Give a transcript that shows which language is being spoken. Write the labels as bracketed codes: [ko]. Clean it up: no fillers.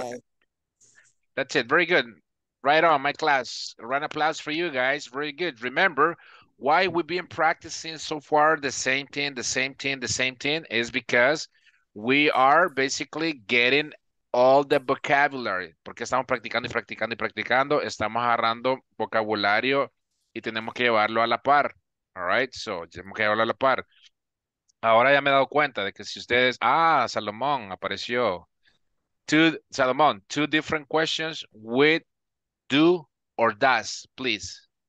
[en] So that's it. Very good. Right on, my class. A round of applause for you guys. Very good. Remember, why we've been practicing so far the same thing is because we are basically getting all the vocabulary. [es] Porque estamos practicando. Estamos agarrando vocabulario y tenemos que llevarlo a la par. [en] All right? [es] So, tenemos que llevarlo a la par. Ahora ya me he dado cuenta de que si ustedes... Ah, Salomón apareció. [en] Salomón, two different questions with do or does, please.